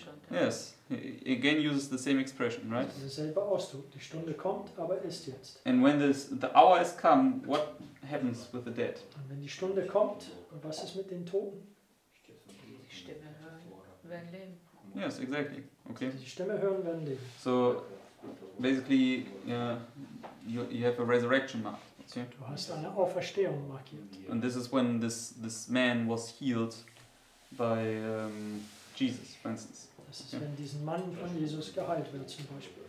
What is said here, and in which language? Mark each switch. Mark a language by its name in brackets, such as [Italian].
[English] Yes, he again uses the same expression, right? [German] Das ist derselbe Ausdruck. Die Stunde kommt, aber ist jetzt. [English] And when the hour is come, what happens with the dead? [German] Und wenn die Stunde kommt, was ist mit den Toten? Die Stimme hören, werden leben. [English] Yes, exactly. Okay. [German] Die Stimme hören, werden leben. [English] So, basically, you have a resurrection mark. Okay? [German] Du hast eine Auferstehung markiert. [English] And this is when this man was healed by Jesus, for instance. [German] Das ist, wenn diesen Mann von Jesus geheilt wird, zum Beispiel.